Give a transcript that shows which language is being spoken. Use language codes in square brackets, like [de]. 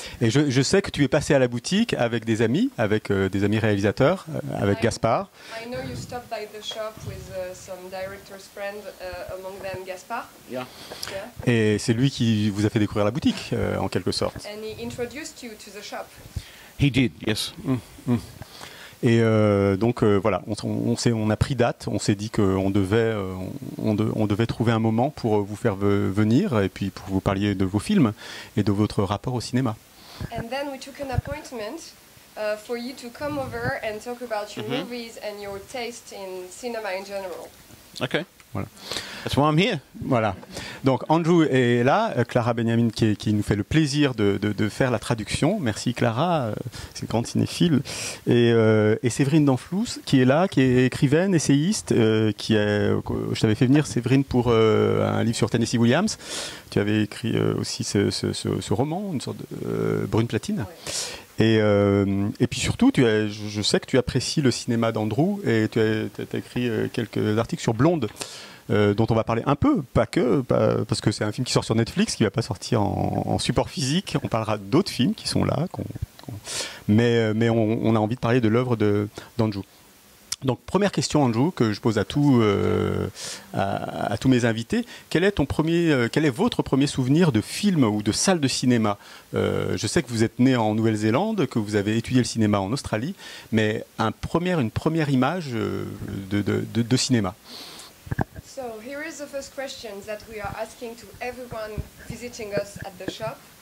[fr] Et je sais que tu es passé à la boutique avec des amis, avec des amis réalisateurs, avec Gaspard. [en] I know you stopped by the shop with some director's friend, among them Gaspard. Yeah. [fr] Et c'est lui qui vous a fait découvrir la boutique, en quelque sorte. [en] And he introduced you to the shop. He did, yes. [fr] Et voilà, on a pris date, on s'est dit qu'on devait, on devait trouver un moment pour vous faire venir et puis pour vous parler de vos films et de votre rapport au cinéma. [en] And then we took an appointment for you to come over and talk about your movies and your taste in cinema in general. Okay. Voilà. That's why I'm here. [fr] Voilà. Donc Andrew est là, Clara Benyamin qui nous fait le plaisir de faire la traduction. Merci Clara, c'est une grande cinéphile. Et Séverine Danflous qui est là, qui est écrivaine, essayiste. Je t'avais fait venir Séverine pour un livre sur Tennessee Williams. Tu avais écrit aussi ce roman, une sorte de brune platine. Ouais. Et puis surtout, je sais que tu apprécies le cinéma d'Andrew et tu as écrit quelques articles sur Blonde, dont on va parler un peu, parce que c'est un film qui sort sur Netflix, qui ne va pas sortir en support physique. On parlera d'autres films qui sont là, mais on a envie de parler de l'œuvre d'Andrew. Donc première question Andrew, que je pose à tous mes invités, quel est votre premier souvenir de film ou de salle de cinéma? Je sais que vous êtes né en Nouvelle-Zélande, que vous avez étudié le cinéma en Australie, mais une première image de cinéma. [en] So here is the first question that we are asking to everyone visiting us at the shop.